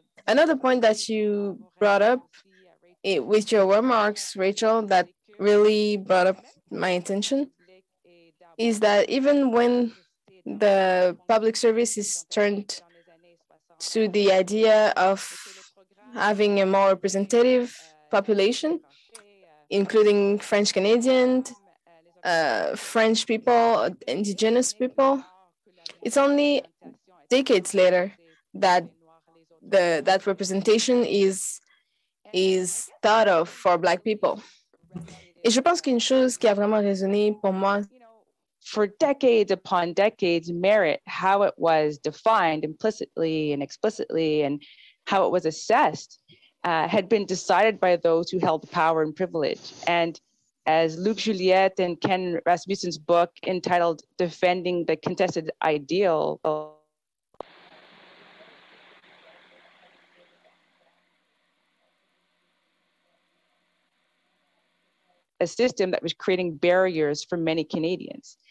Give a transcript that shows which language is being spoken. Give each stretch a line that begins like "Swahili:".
English: Another point that you brought up with your remarks, Rachel, that really brought up my attention is that even when the public service is turned to the idea of having a more representative population, including French Canadian, French people, indigenous people, it's only decades later that that representation is thought of for Black people.
French: Et je pense qu'une chose qui a vraiment résonné pour moi.
English: For decades upon decades, merit, how it was defined implicitly and explicitly, and how it was assessed, had been decided by those who held power and privilege. And as Luc Juliette and Ken Rasmussen's book entitled Defending the Contested Ideal, a system that was creating barriers for many Canadians.